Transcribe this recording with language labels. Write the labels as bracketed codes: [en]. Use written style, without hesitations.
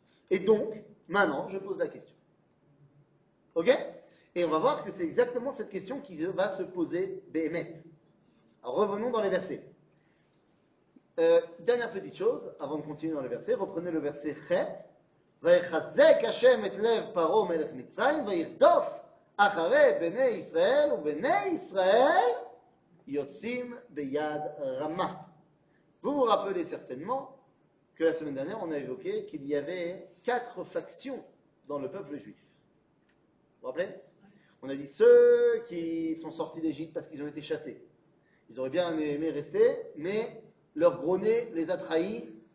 [fr] Et donc, maintenant, je pose la question. OK ? Et on va voir que c'est exactement cette question qui va se poser Béhémet. Alors, revenons dans les versets. Dernière petite chose, avant de continuer dans les versets, reprenez le verset Chet. [he] ויחזק השם את לב פרעה מלך מצרים וירדוף אחרי בני ישראל ובני ישראל יוצאים ביד רמה. [fr] Vous vous rappelez certainement que la semaine dernière on a évoqué qu'il y avait 4 factions dans le peuple juif. Vous vous rappelez? On a dit ceux qui sont sortis d'Égypte parce qu'ils ont été chassés. Ils auraient bien aimé rester, mais leur gros nez les a trahis.